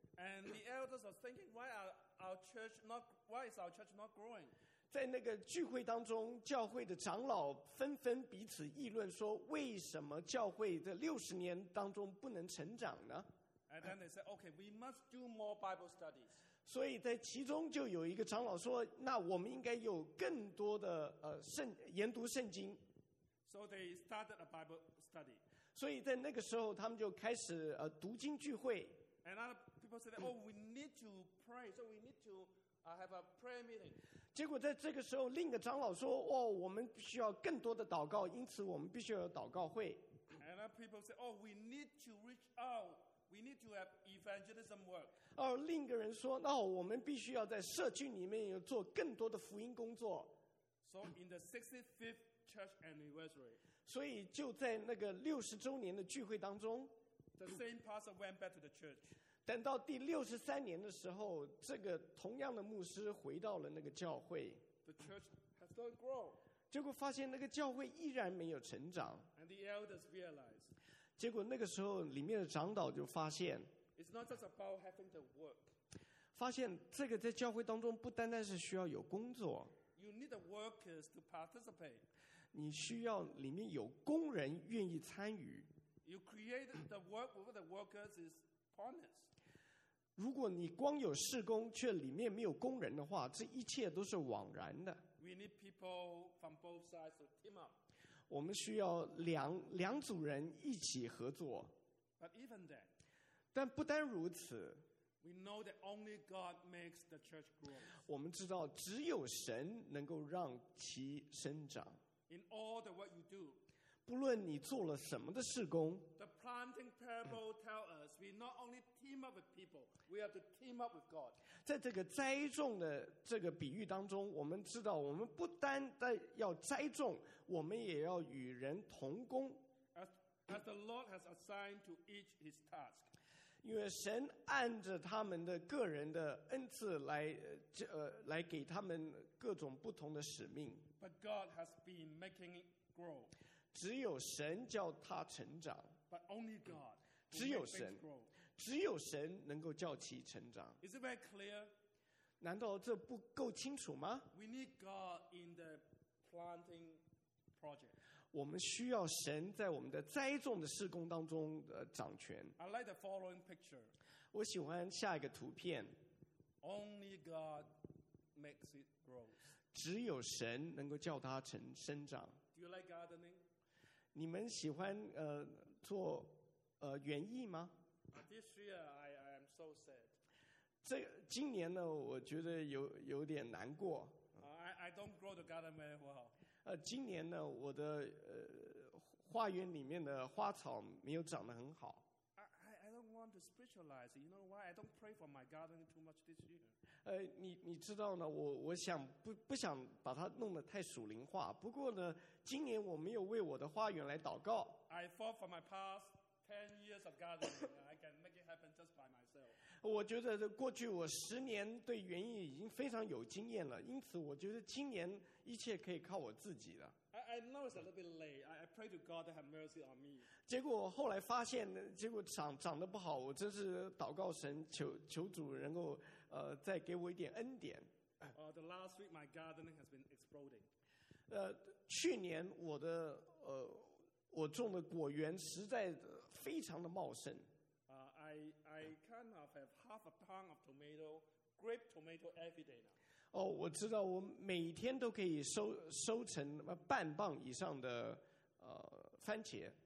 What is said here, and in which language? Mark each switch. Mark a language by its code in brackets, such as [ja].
[en] And the elders are thinking, why is our church not growing? [zh] 在那个聚会当中，教会的长老纷纷彼此议论说，为什么教会在60年当中不能成长呢？ [en] And then they said, okay, we must do more Bible studies. [zh] 所以在其中就有一个长老说，那我们应该有更多的研读圣经。 [en] So they started a Bible study. [zh] 所以在那个时候，他们就开始读经聚会。 [en] And other people said, "Oh, we need to pray. So we need to have a prayer meeting." [zh] 结果在这个时候，另一个长老说，哦，我们需要更多的祷告，因此我们必须要有祷告会。 [en] And other people said, "Oh, we need to reach out. We need to have evangelism work." [zh] 而另一个人说，那我们必须要在社区里面有做更多的福音工作。 [en] So in the 65th. Church anniversary. [zh] 所以就在那个60周年的聚会当中 [en] ，the same pastor went back to the church. [zh] 等到第63年的时候，这个同样的牧师回到了那个教会。 [en] The church has not grown. [zh] 结果发现那个教会依然没有成长。 [en] And the elders realized. [zh] 结果那个时候里面的长导就发现 [en] ，it's not just about having the work. [zh] 发现这个在教会当中不单单是需要有工作。 [en] You need the workers to participate. [zh] 你需要里面有工人愿意参与。 [en] You create the work with the workers is pointless. [zh] 如果你光有事工却里面没有工人的话，这一切都是枉然的。 [en] We need people from both sides to team up. [zh] 我们需要两组人一起合作。 [en] But even then, [zh] 但不单如此。 [en] We know that only God makes the church grow. [zh] 我们知道只有神能够让其生长。 [en] In all the work you do, [zh] 不论你做了什么的事工 [en] the plan hunting parable tell us we not only team up with people, we have to team up with God. [zh] 在这个栽种的这个比喻当中，我们知道我们不单单要栽种，我们也要与人同工。 [en] As the Lord has assigned to each his task. [zh] 因为神按着他们的个人的恩赐 来给他们各种不同的使命。 [en] But God has been making it grow. [zh] 只有神叫他成长。 [en] But only God. [zh] 只有神。只有神能够叫其成长。 [en] Is it very clear? [zh] 难道这不够清楚吗？ [en] We need God in the planting project. [zh] 我们需要神在我们的栽种的事工当中的掌权。 [en] I like the following picture. [zh] 我喜欢下一个图片。 [en] Only God makes it grow. [zh] 只有神能够叫它成生长。 [en] Do you like gardening? [zh] 你们喜欢做园艺吗？ [en] This year I am so sad. [zh] 这今年呢，我觉得有点难过。 [en] I don't grow the garden very well. [zh] 今年呢，我的花园里面的花草没有长得很好。 [en] I don't want to spiritualize. You know why? I don't pray for my garden too much this year. [zh] 你知道呢，我想不想把它弄得太属灵化。不过呢，今年我没有为我的花园来祷告。 [en] I fought for my past 10 years of gardening. I can make it happen just by myself. [zh] 我觉得过去我10年对园艺已经非常有经验了，因此我觉得今年一切可以靠我自己的。 [en] I know it's a little bit late. I pray to God to have mercy on me. [zh] 结果后来发现，结果长得不好，我真是祷告神，求主能够再给我一点恩典。 [en] The last week my gardening has been exploding. [zh] 去年我的我种的果园实在非常的茂盛。 [en] I kind of have half a pound of tomato, grape tomato every day now. [zh] 我知道，我每天都可以收成半磅以上的番茄。